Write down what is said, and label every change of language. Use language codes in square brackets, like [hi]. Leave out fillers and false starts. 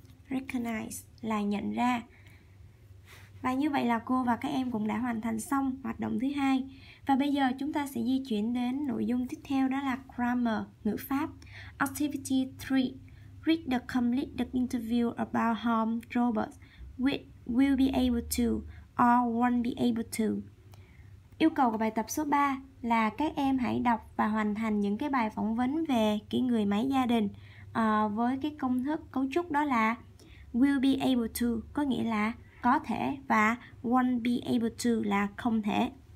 [vi] Recognize là nhận ra. Và như vậy là cô và các em cũng đã hoàn thành xong hoạt động thứ hai. Và bây giờ chúng ta sẽ di chuyển đến nội dung tiếp theo, đó là grammar, ngữ pháp. [en] Activity 3. Read the complete the interview about home robots which will be able to or won't be able to. [vi] Yêu cầu của bài tập số 3 là các em hãy đọc và hoàn thành những cái bài phỏng vấn về cái người máy gia đình với cái công thức cấu trúc đó là [en] will be able to [vi] có nghĩa là có thể và [en] won't be able to [vi] là không thể.